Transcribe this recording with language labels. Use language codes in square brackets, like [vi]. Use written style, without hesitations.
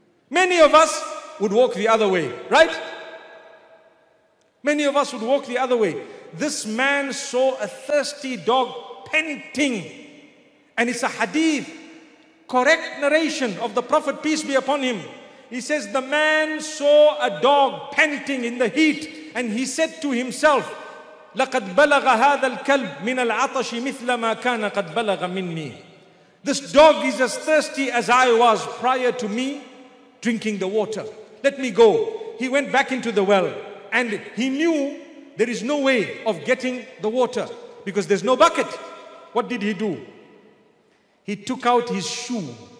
[en] Many of us would walk the other way, right? Many of us would walk the other way. This man saw a thirsty dog panting. And it's a hadith, correct narration of the Prophet, peace be upon him. He says, the man saw a dog panting in the heat. And he said to himself, [ar] لَقَدْ بَلَغَ هَذَا الْكَلْبْ مِنَ الْعَطَشِ مِثْلَ مَا كَانَ قَدْ بَلَغَ مِنِّي. [en] This dog is as thirsty as I was prior to me drinking the water. Let me go. He went back into the well and he knew there is no way of getting the water because there's no bucket. What did he do? He took out his shoe.